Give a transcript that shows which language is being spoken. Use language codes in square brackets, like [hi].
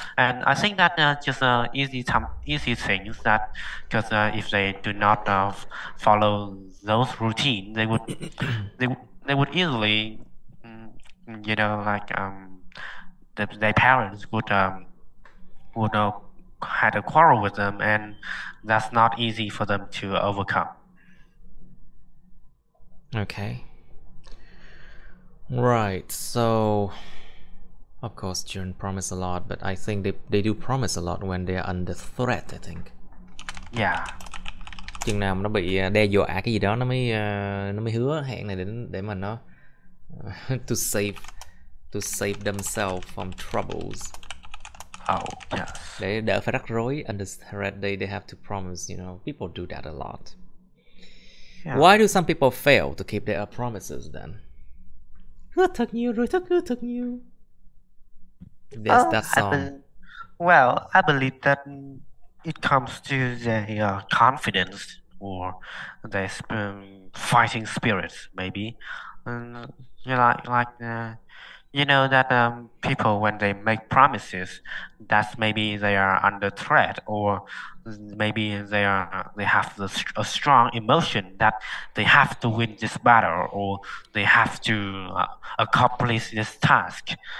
[en] And I think that just easy things, that because if they do not follow those routine, they would easily, you know, like their parents would had a quarrel with them, and that's not easy for them to overcome. Okay. Right. So, of course, children promise a lot, but I think they do promise a lot when they are under threat. I think. Yeah. [vi] Chừng nào nó bị đe dọa cái gì đó nó mới hứa hẹn này để mà nó [en] to save themselves from troubles. Oh yes. [vi] Để đỡ phải rắc rối, [en] under threat they have to promise, you know. People do that a lot. Yeah. Why do some people fail to keep their promises then? [vi] Hứa thật nhiều rồi, hứa thật nhiều. [en] There's that song. I believe that it comes to the confidence or the fighting spirit, maybe. You know that people, when they make promises, that's maybe they are under threat, or maybe they have a strong emotion that they have to win this battle, or they have to accomplish this task.